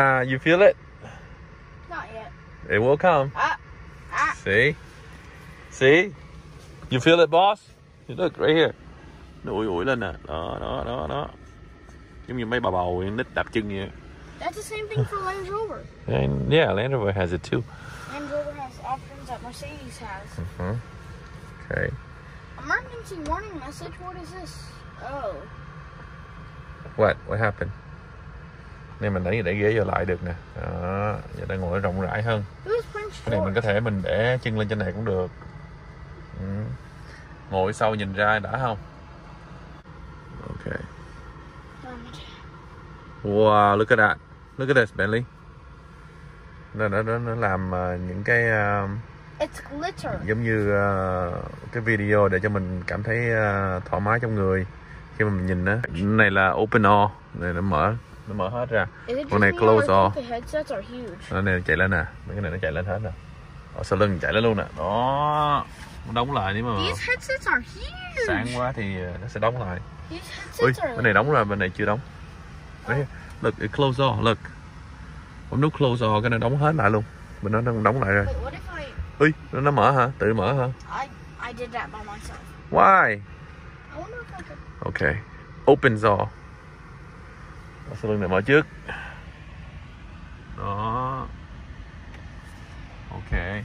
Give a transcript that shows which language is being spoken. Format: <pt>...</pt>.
<en>you feel it? Not yet. It will come. See? See? You feel it, boss? You look right here.</en> <vi>Nó ủi ủi lên nè. Đó, đó, đó, đó. Giống như mấy bà bầu nít đạp chân vậy.</vi> <en>That's the same thing for Land Rover. And yeah, Land Rover has it too. Land Rover has options that Mercedes has. Mm-hmm. Okay. Emergency warning message. What is this? Oh. What? What happened?</en> <vi>Nên mình để ghế vô lại được nè. Đó, giờ đang ngồi rộng rãi hơn. Cái này mình có thể mình để chân lên trên này cũng được. Ừ. Ngồi sau nhìn ra đã không?</vi> <en>Okay. Wow, look at that. Look at this, Bentley.</en> <vi>Nó làm những cái</vi> <en>it's glitter.</en> <vi>Giống như cái video để cho mình cảm thấy thoải mái trong người khi mà mình nhìn nó. Này là open all, này nó mở. Nó mở hết ra. Con này close all. Nó này chạy lên nè. Mấy cái này nó chạy lên hết nè. Ở sau lưng chạy lên luôn nè. Đó. Nó đóng lại nếu mà.</vi> <en>These headsets are huge.</en> <vi>Sáng quá thì nó sẽ đóng lại.</vi> <en>These headsets</en> <vi>ui, bên này đóng rồi, bên này chưa đóng.</vi> <en>Đấy, look, it close all, look.</en> <vi>Bấm nút close all, cái này đóng hết lại luôn. Bên nó đang đóng lại rồi.</vi> <en>Wait, what if I...</en> <vi>ui, nó mở hả? Tự mở hả?</vi> <en>I did that by myself. Why? I wonder if I could... Okay, opens all.</en> <vi>Đó, sau lưng này mở trước. Đó.</vi> <en>Ok.</en>